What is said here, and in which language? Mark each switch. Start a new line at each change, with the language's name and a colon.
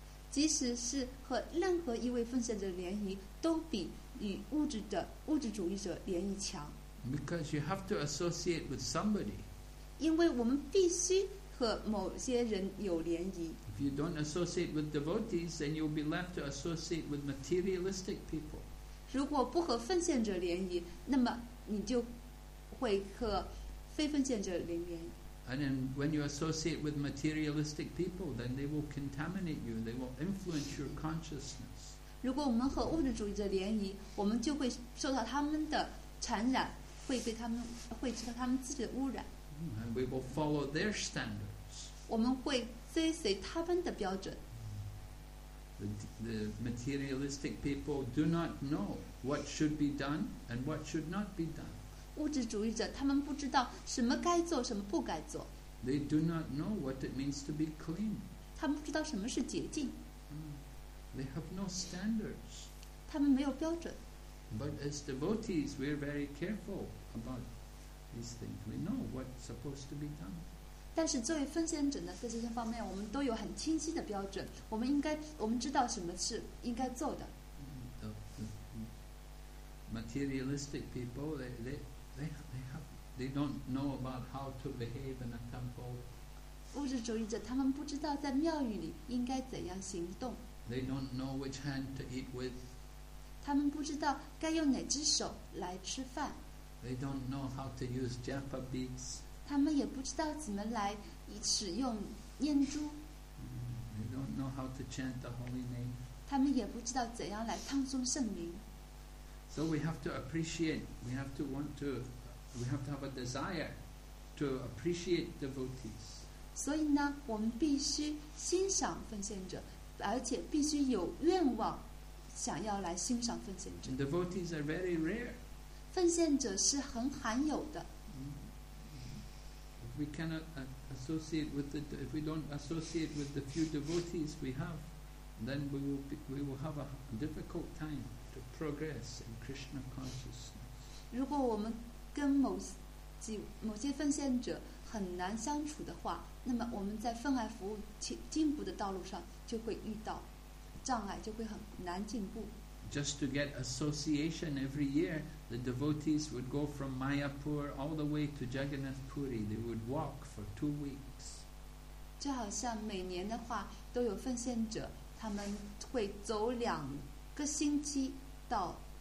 Chinese: 即使是和任何一位奉献者联谊，都比与物质主义者联谊强。
English: Because you have to associate with somebody.
Chinese: 因为我们必须和某些人有联谊。
English: If you don't associate with devotees, then you'll be left to associate with materialistic people.
Chinese: 如果不和奉献者联谊，那么你就会和非奉献者联谊。
English: And then when you associate with materialistic people, then they will contaminate you. They will influence your consciousness.
Chinese: 如果我们和物质主义者联谊，我们就会受到他们的传染，会被他们会受到他们自己的污染。
English: And we will follow their standards.
Chinese: 我们会追随他们的标准。
English: The materialistic people do not know what should be done and what should not be done.
Chinese: 物质主义者他们不知道什么该做，什么不该做。
English: They do not know what it means to be clean.
Chinese: 他们不知道什么是洁净。
English: They have no standards.
Chinese: 他们没有标准。
English: But as devotees, we are very careful about these things. We know what's supposed to be done.
Chinese: 但是作为奉献者呢，在这些方面，我们都有很清晰的标准。我们知道什么是应该做的。
English: The materialistic people, they don't know about how to behave in a temple.
Chinese: 物质主义者他们不知道在庙宇里应该怎样行动。
English: They don't know which hand to eat with.
Chinese: 他们不知道该用哪只手来吃饭。
English: They don't know how to use japa beads.
Chinese: 他们也不知道怎么来使用念珠。
English: They don't know how to chant the holy name.
Chinese: 他们也不知道怎样来唱诵圣名。
English: So we have to appreciate, we have to want to, we have to have a desire to appreciate devotees.
Chinese: 所以呢，我们必须欣赏奉献者。而且必须有愿望，想要来欣赏奉献者。
English: Devotees are very rare.
Chinese: 奉献者是很罕有的。
English: If we cannot associate with the, if we don't associate with the few devotees we have, then we will have a difficult time to progress in Krishna consciousness.
Chinese: 如果我们跟某些奉献者很难相处的话，那么我们在分爱服务进步的道路上就会遇到障碍，就会很难进步。
English: Just to get association every year, the devotees would go from Mayapur all the way to Jagannath Puri. They would walk for 2 weeks.
Chinese: 就好像每年的话，都有奉献者，他们会走2个星期到